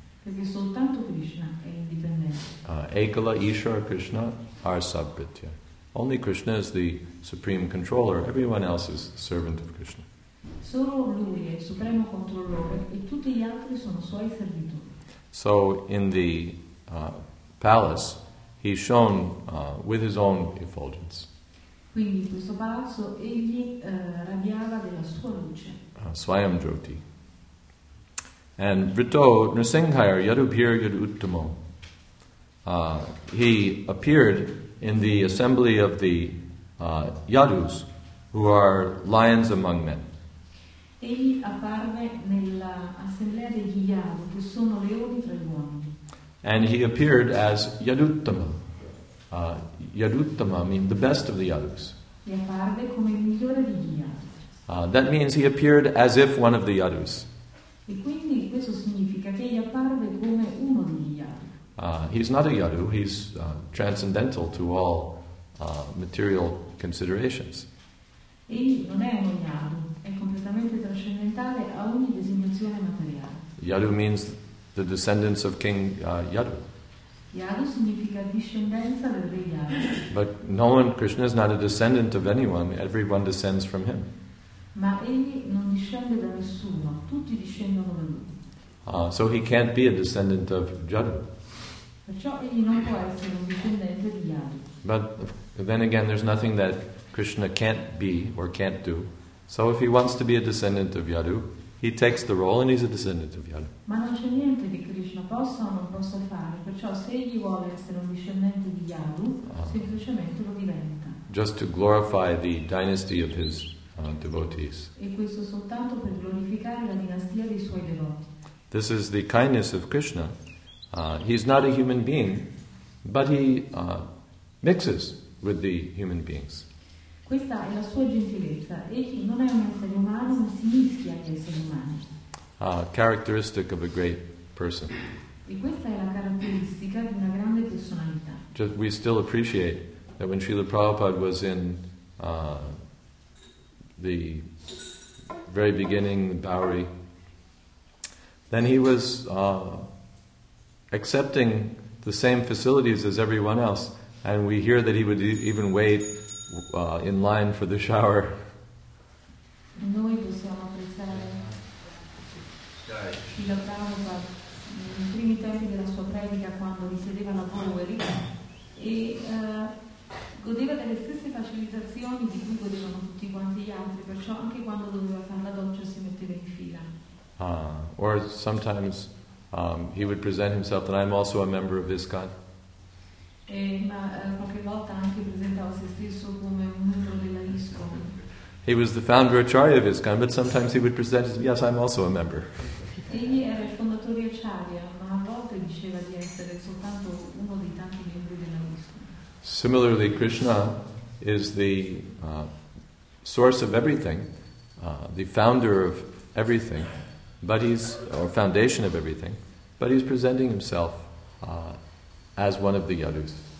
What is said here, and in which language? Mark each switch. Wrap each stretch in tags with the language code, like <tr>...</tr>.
<it>Perché soltanto Krishna è indipendente.</it> <sa>Ekala Ishvara Krishna Arsabhritya.</sa> <en>Only Krishna is the supreme controller. Everyone else is servant of Krishna.</en> <it>Solo lui è il supremo controllore e tutti gli altri sono suoi servitori.</it> <en>So in the palace, he's shown with his own effulgence.</en> <it>Quindi in questo palazzo egli radiava della sua luce.</it> <sa>Swayam Jyoti. And Vrito Nrsinghaya Yadubhir Yaduttamo.</sa> <en>He appeared in the assembly of the Yadus, who are lions among men.</en> <it>Egli apparve nell'assemblea degli Yadu, che sono leoni tra gli uomini.</it> <en>And he appeared as Yaduttama. Yaduttama means the best of the Yadus.</en> <it>E apparve come il migliore degli Yadus.</it> <en>That means he appeared as if one of the Yadus.</en> <it>E quindi questo significa che egli apparve come uno degli Yadu.</it> <en>He's not a Yadu, he's transcendental to all material considerations.</en> <it>Egli non è un Yadu, è completamente trascendentale a ogni designazione materiale.</it> <en>Yadu means the descendants of King Yadu.</en> <it>Yadu significa discendenza del re Yadu.</it> <en>But no one, Krishna is not a descendant of anyone, everyone descends from him.</en> <it>Ma egli non discende da nessuno, tutti discendono da lui.</it> <en>So he can't be a descendant of Yadu.</en> <it>Perciò egli non può essere un discendente di Yadu.</it> <en>But then again, there's nothing that Krishna can't be or can't do. So if he wants to be a descendant of Yadu, he takes the role and he's a descendant of Yadu.</en> <it>Ma non c'è niente che Krishna possa o non possa fare. Perciò se egli vuole essere un discendente di Yadu, semplicemente lo diventa.</it> <en>Just to glorify the dynasty of his devotees.</en> <it>E questo soltanto per glorificare la dinastia dei suoi devoti.</it> <en>This is the kindness of Krishna. He's not a human being, but he mixes with the human beings.</en> <it>Questa è la sua gentilezza. Egli non è un essere umano, ma si mischia agli esseri umani.</it> <en>Characteristic of a great person.</en> <it>E questa è la caratteristica di una grande personalità.</it> <en>Just, we still appreciate that when Srila Prabhupada was in the very beginning, the Bowery, then he was accepting the same facilities as everyone else, and we hear that he would even wait in line for the shower.</en> <it>Noi possiamo apprezzare il Prabhupada nei primi tempi della sua predica quando risiedeva alla Bowery e godeva delle stesse facilitazioni di cui godevano tutti quanti gli altri, perciò anche quando doveva fare la doccia si metteva in fila.</it> <en>Or sometimes he would present himself that I'm also a member of ISKCON.</en> <it>Ma qualche volta anche presentava se stesso come un membro della ISKCON.</it> <en>He was the founder acharya of ISKCON, but sometimes he would present himself, yes, I'm also a member.</en> <it>Egli era il fondatore acharya, ma a volte diceva di essere soltanto uno dei tanti membri della ISKCON.</it> <en>Similarly, Krishna is the source of everything, the founder of everything. But he's, or foundation of everything, but he's presenting himself as one of the Yadus.</en>